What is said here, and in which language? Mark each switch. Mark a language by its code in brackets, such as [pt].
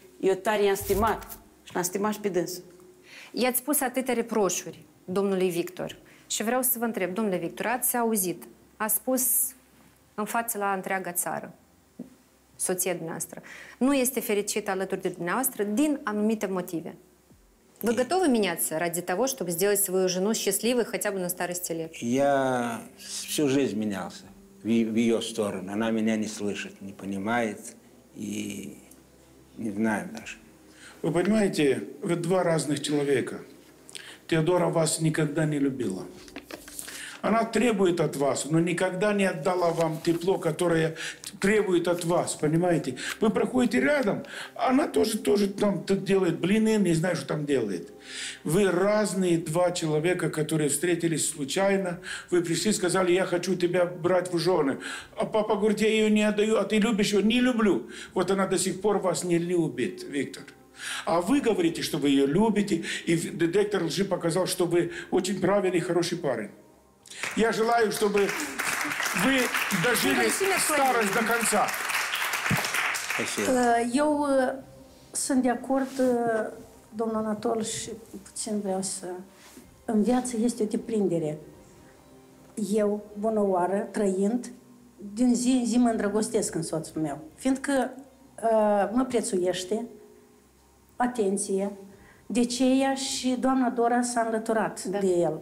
[ro] Eu tare i-am stimat și l-am stimat și pe dânsul. I-ați spus atâtea reproșuri domnului Victor. Și vreau să vă întreb, domnule Victor, ați auzit? A spus în față la întreaga țară, soția dumneavoastră, nu este fericită alături de dumneavoastră din anumite motive. [ru] Вы готовы меняться ради того, чтобы сделать свою жену счастливой хотя бы на старости лет? Я всю жизнь менялся в ее сторону. Она меня не слышит, не понимает и не знаю даже. Вы понимаете, вы два разных человека. Теодора вас никогда не любила. Она требует от вас, но никогда не отдала вам тепло, которое требует от вас, понимаете? Вы проходите рядом, она тоже там делает блины, не знаю, что там делает. Вы разные два человека, которые встретились случайно. Вы пришли, сказали, я хочу тебя брать в жены. А папа говорит, я ее не отдаю, а ты любишь ее? Не люблю. Вот она до сих пор вас не любит, Виктор. А вы говорите, что вы ее любите, и детектор лжи показал, что вы очень правильный и хороший парень. Я желаю, чтобы вы дожили старость до конца. [ro] Eu sunt de acord, domnul Anatol, și puțin vreau să... În viață este o deprindere. Eu, bunăoară, trăind, din zi în zi mă îndrăgostesc în soțul meu. Fiindcă mă prețuiește, atenție, de ce ea și doamna Dora s-a înlăturat de el.